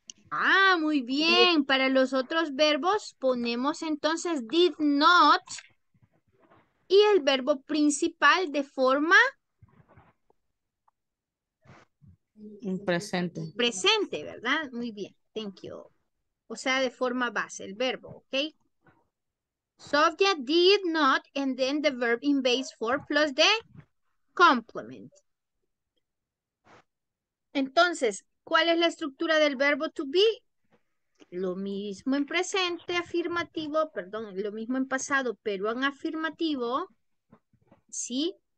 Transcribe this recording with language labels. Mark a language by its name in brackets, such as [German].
[Spanish] Ah, muy bien. Did. Para los otros verbos ponemos entonces did not y el verbo principal de forma presente. Presente, ¿verdad? Muy bien. [English] Thank you. [Spanish] O sea, de forma base, el verbo, ¿ok? [English] Subject did not and then the verb in base form plus the complement. [Spanish] Entonces, ¿cuál es la estructura del verbo to be? Lo mismo en presente afirmativo, perdón, lo mismo en pasado, pero en afirmativo, ¿sí?